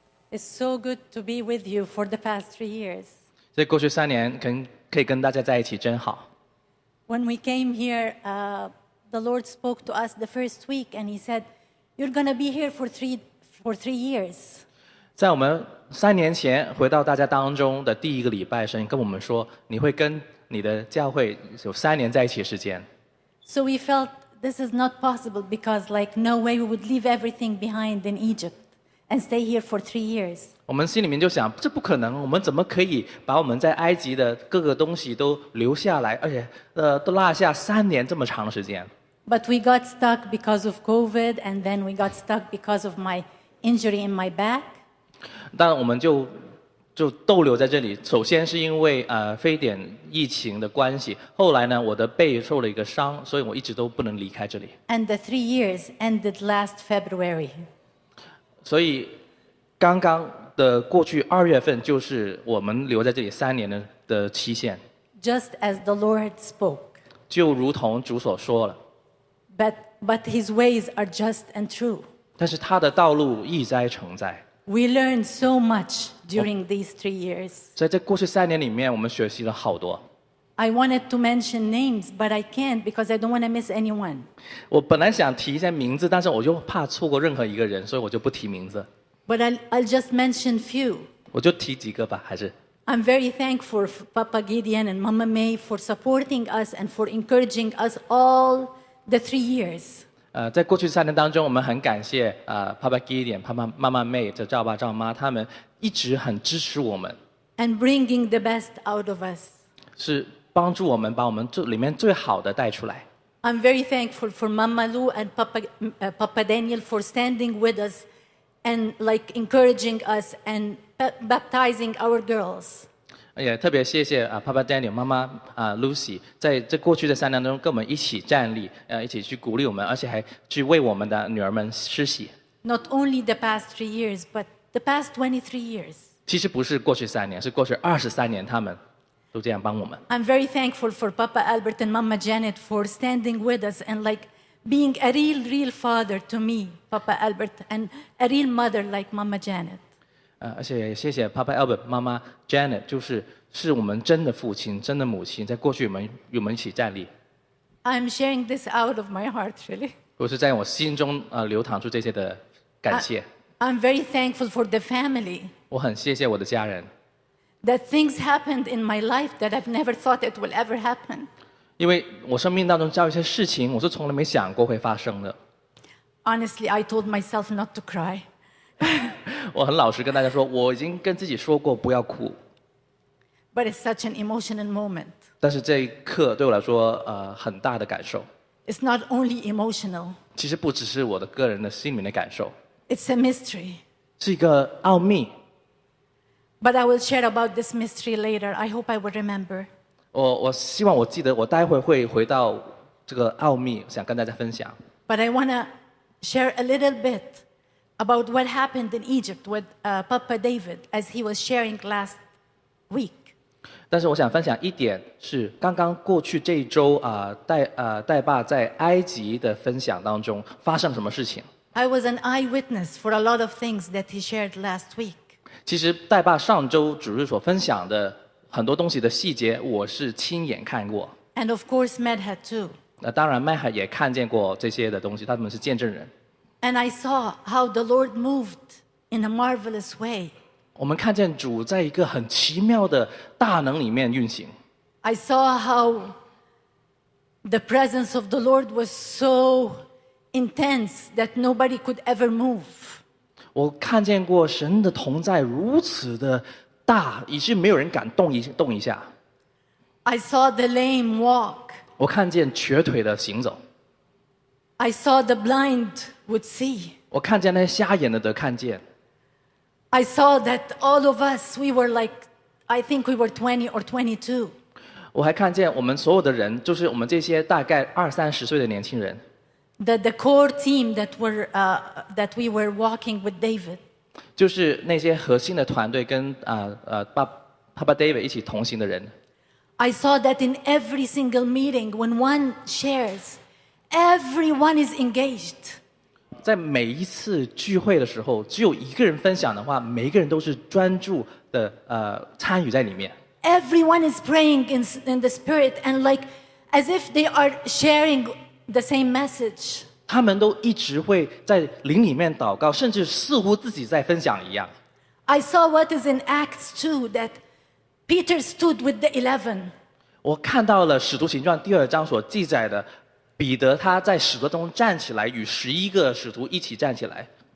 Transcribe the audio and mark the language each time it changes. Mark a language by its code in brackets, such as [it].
[en] It's so good to be with you for the past 3 years. [zh] 在过去三年，可以跟大家在一起真好。 [en] When we came here, the Lord spoke to us the first week, and He said, "You're going to be here for three years." [zh] 在我们三年前回到大家当中的第一个礼拜，神跟我们说，你会跟你的教会有三年在一起时间。 [en] So we felt this is not possible because, like, no way we would leave everything behind in Egypt and stay here for 3 years. [zh] 我们心里面就想，这不可能，我们怎么可以把我们在埃及的各个东西都留下来，而且都落下三年这么长时间。 [en] But we got stuck because of COVID, and then we got stuck because of my injury in my back. [zh] 但我们就逗留在这里，首先是因为非典疫情的关系，后来呢我的背受了一个伤，所以我一直都不能离开这里。 [en] And the 3 years ended last February. [zh] 所以刚刚的过去二月份就是我们留在这里三年的期限。 [en] Just as the Lord spoke. [zh] 就如同主所说了。 [en] But His ways are just and true. [zh] 但是他的道路一再承载。 [en] We learned so much during these 3 years. [zh] 在这过去三年里面，我们学习了好多。 [en] I wanted to mention names, but I can't because I don't want to miss anyone. [zh] 我本来想提一下名字，但是我就怕错过任何一个人，所以我就不提名字。 [en] But I'll just mention few. [zh] 我就提几个吧，还是。 [en] I'm very thankful for Papa Gideon and Mama May for supporting us and for encouraging us all the 3 years. [zh] 在过去三年当中，我们很感谢Papa Gideon、Mama May、赵爸赵妈，他们一直很支持我们。 [en] And bringing the best out of us. [zh] 是帮助我们把我们里面最好的带出来。 [en] I'm very thankful for Mama Lou and Papa Daniel for standing with us and like encouraging us and baptizing our girls. [zh] 也特别谢谢Papa Daniel、妈妈Lucy， 在这过去的三年中跟我们一起站立，一起去鼓励我们，而且还去为我们的女儿们施洗。 [en] Not only the past 3 years, but the past 23 years. [zh] 其实不是过去三年，是过去23年，他们都这样帮我们。 [en] I'm very thankful for Papa Albert and Mama Janet for standing with us and like being a real father to me, Papa Albert, and a real mother like Mama Janet. [zh] 而且谢谢 Papa Albert 妈妈 Janet， 就是我们真的父亲，真的母亲，在过去与我们一起站立。 [en] I'm sharing this out of my heart, really. [zh] 我是在我心中流淌出这些的感谢。 [en] I'm very thankful for the family. [zh] 我很谢谢我的家人。 [en] That things happened in my life that I've never thought it will ever happen. [zh] 因为我生命当中遭遇一些事情，我是从来没想过会发生的。 [en] Honestly, I told myself not to cry. [zh] 我很老实跟大家说，我已经跟自己说过不要哭。 [en] But it's such an emotional moment. [zh] 但是这一刻对我来说，很大的感受。 [en] It's not only emotional. [zh] 其实不只是我的个人的心里面的感受。 [en] It's a mystery. [zh] 是一个奥秘。 [en] But I will share about this mystery later. I hope I will remember. [zh] 我希望我记得，我待会会回到这个奥秘，想跟大家分享。 [en] But I wanna share a little bit. About what happened in Egypt with Papa David as he was sharing last week. [zh] 但是我想分享一点是刚刚过去这一周戴爸在埃及的分享当中发生什么事情。 [en] I was an eyewitness for a lot of things that he shared last week. [zh] 其实戴爸上周主日所分享的很多东西的细节我是亲眼看过。 [en] And of course Medha too. [zh] 当然 Medha 也看见过这些的东西，他们是见证人。 [en] And I saw how the Lord moved in a marvelous way. [zh] 我们看见主在一个很奇妙的大能里面运行。 [en] I saw how the presence of the Lord was so intense that nobody could ever move. [zh] 我看见过神的同在如此的大，以致没有人敢动一下。 [en] I saw the lame walk. [zh] 我看见瘸腿的行走。 [en] I saw the blind would see. [zh] 我看见那些瞎眼的得看见。 [en] I saw that all of us, we were like, I think we were 20 or 22. [zh] 我还看见我们所有的人，就是我们这些大概二三十岁的年轻人。 [en] The core team that we were walking with David. [zh] 就是那些核心的团队跟Papa David 一起同行的人。 [en] I saw that in every single meeting when one shares, everyone is engaged. [zh] 在每一次聚会的时候，只有一个人分享的话，每一个人都是专注的参与在里面。 [en] Everyone is praying in the spirit and like as if they are sharing the same message. [zh] 他们都一直会在灵里面祷告，甚至似乎自己在分享一样。 [en] I saw what is in Acts 2 that Peter stood with the 11. [zh] 我看到了《使徒行传》第二章所记载的，彼得他在使徒中站起来，与十一个使徒一起站起来。